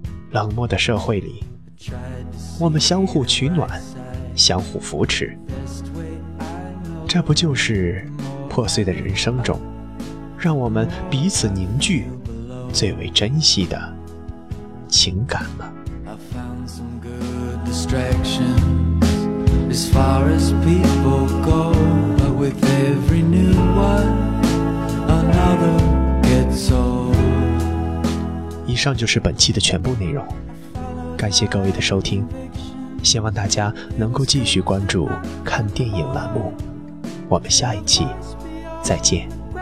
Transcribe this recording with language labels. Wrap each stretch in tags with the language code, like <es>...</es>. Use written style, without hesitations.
<zh>冷漠的社会里，我们相互取暖，相互扶持，这不就是破碎的人生中让我们彼此凝聚最为珍惜的情感吗？</zh> <en>I found some good distractions as far as people go, but with every new one another gets old.</en> <zh>以上就是本期的全部内容，感谢各位的收听，希望大家能够继续关注看电影栏目，我们下一期再见。</zh>